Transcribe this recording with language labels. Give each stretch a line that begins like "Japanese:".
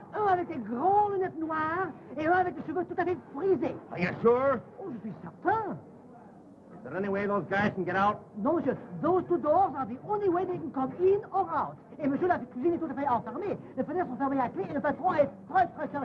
French: Un avec des grands lunettes noires et un avec des cheveux tout à fait frisés.
English: Are you sure?
French: Oh, je suis certain.
English: Is there any way those guys can get out? No, monsieur. Those two doors are the only way they can come in or out.
French: Et monsieur, la cuisine est tout à fait enfermée. Les fenêtres sont fermées à clé et le patron est très, très cher.